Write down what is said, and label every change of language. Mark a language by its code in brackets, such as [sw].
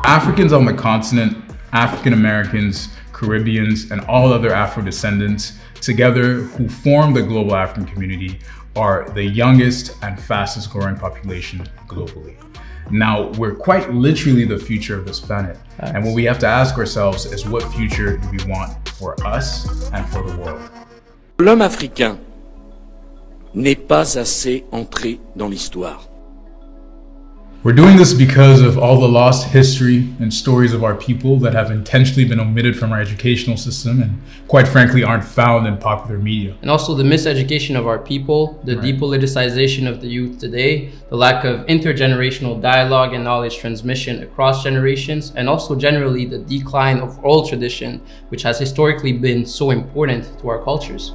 [en] Africans on the continent, African Americans, Caribbeans, and all other Afro descendants together who form the global African community are the youngest and fastest growing population globally. Now, we're quite literally the future of this planet. Thanks. And what we have to ask ourselves is what future do we want for us and for the world? [fr] L'homme africain n'est pas assez entré dans l'histoire. [en] We're doing this because of all the lost history and stories of our people that have intentionally been omitted from our educational system and quite frankly aren't found in popular media. And also the miseducation of our people, the depoliticization of the youth today, the lack of intergenerational dialogue and knowledge transmission across generations, and also generally the decline of oral tradition, which has historically been so important to our cultures.